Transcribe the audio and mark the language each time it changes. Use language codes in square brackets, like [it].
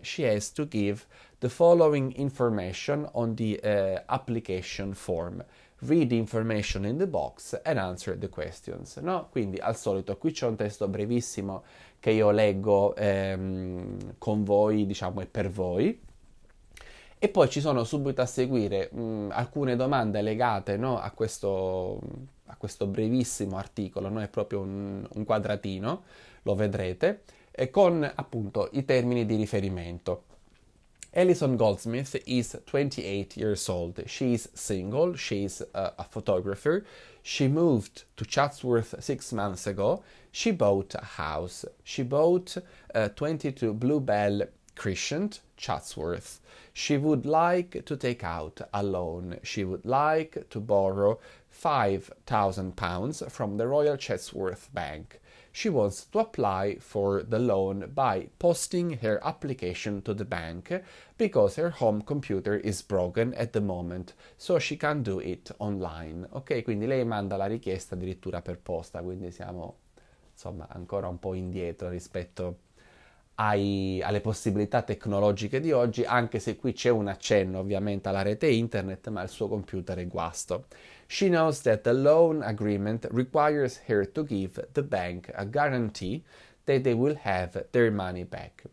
[en] She has to give the following information on the application form. Read the information in the box and answer the questions. [it] No? Quindi al solito qui c'è un testo brevissimo che io leggo con voi, diciamo, e per voi. E poi ci sono subito a seguire alcune domande legate, no, a questo brevissimo articolo, non è proprio un quadratino, lo vedrete, e con appunto i termini di riferimento. [en] Alison Goldsmith is 28 years old, she is single, she is a photographer, she moved to Chatsworth 6 months ago, she bought a house, she bought 22 Bluebell Crescent, Chatsworth. She would like to take out a loan. She would like to borrow £5,000 from the Royal Chatsworth Bank. She wants to apply for the loan by posting her application to the bank because her home computer is broken at the moment, so she can do it online. [it] Ok, quindi lei manda la richiesta addirittura per posta, quindi siamo, insomma, ancora un po' indietro rispetto alle possibilità tecnologiche di oggi, anche se qui c'è un accenno ovviamente alla rete internet, ma il suo computer è guasto. [en] She knows that the loan agreement requires her to give the bank a guarantee that they will have their money back.